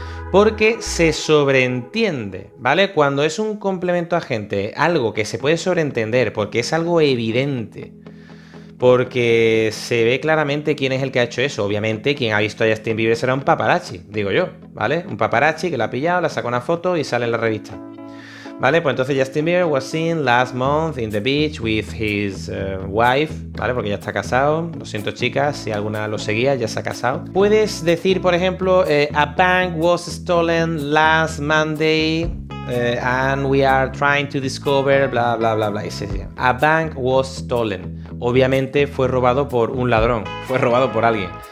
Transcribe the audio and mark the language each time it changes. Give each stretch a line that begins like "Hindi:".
Spanish: Porque se sobreentiende, ¿vale? Cuando es un complemento agente, algo que se puede sobreentender porque es algo evidente, porque se ve claramente quién es el que ha hecho eso. Obviamente, quien ha visto a Justin Bieber será un paparazzi, digo yo, ¿vale? Un paparazzi que la ha pillado, la sacó una foto y sale en la revista. ¿Vale? Pues entonces
English: Justin Bieber was seen last month in the beach with his wife,
Spanish: ¿vale? Porque ya está casado. Lo siento, chicas, si alguna lo seguía, ya se ha casado. Puedes decir, por ejemplo,
English: a bank was stolen last Monday. And we are trying to discover, bla bla bla bla. A bank was stolen.
Spanish: Obviamente fue robado por un ladrón, fue robado por alguien.